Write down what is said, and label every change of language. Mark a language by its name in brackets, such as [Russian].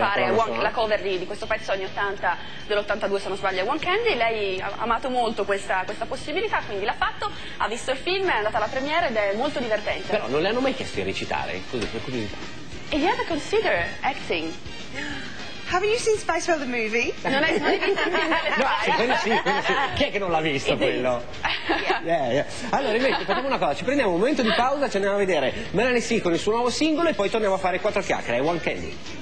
[Italian] la cover di questo pezzo anni 80, dell'82 se non sbaglio, I Want Candy. Lei ha amato molto questa possibilità, quindi l'ha fatto, ha visto il film, è andata alla premiere ed è molto divertente. Però non le hanno mai chiesto di recitare, così per curiosità. [English] Have you ever considered acting? Haven't you seen Spice World the movie? [Italian] Non hai mai visto il film? No, sì. Chi è che non l'ha visto quello? [English] Yeah. [Italian] Allora, invece, facciamo una cosa. Ci prendiamo un momento di pausa, ci andiamo a vedere Melanie C con il suo nuovo singolo e poi torniamo a fare 4 chiacchiere. I Want Candy.